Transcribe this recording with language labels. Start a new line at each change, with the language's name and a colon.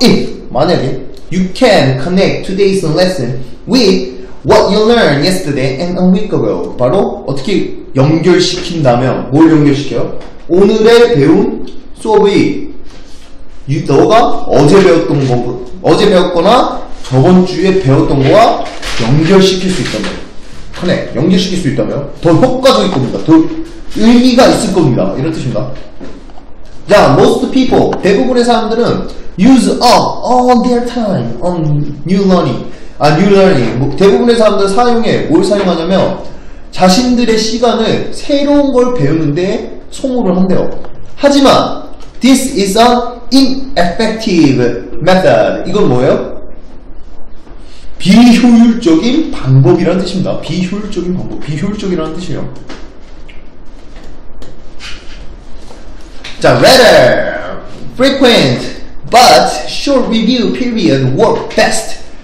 English: If,
Korean: 만약에
English: you can connect today's lesson with what you learned yesterday and a week ago.
Korean: 바로 어떻게 연결시킨다면 뭘 연결시켜요? 오늘의 배운 수업이 너가 어제 배웠거나 저번 주에 배웠던 거와 연결시킬 수 있다면 connect, 연결시킬 수 있다면 더 효과적일 겁니다. 더 의미가 있을 겁니다. 이런 뜻입니다. 자,
English: most people,
Korean: 대부분의 사람들은
English: use up all their time on new learning.
Korean: 뭐 대부분의 사람들 사용해, 뭘 사용하냐면 자신들의 시간을 새로운 걸 배우는데 소모를 한대요. 하지만
English: this is a ineffective method.
Korean: 이건 뭐예요? 비효율적인 방법이라는 뜻입니다. 비효율적인 방법, 비효율적이라는 뜻이에요. 자,
English: rather frequent but short review period work best.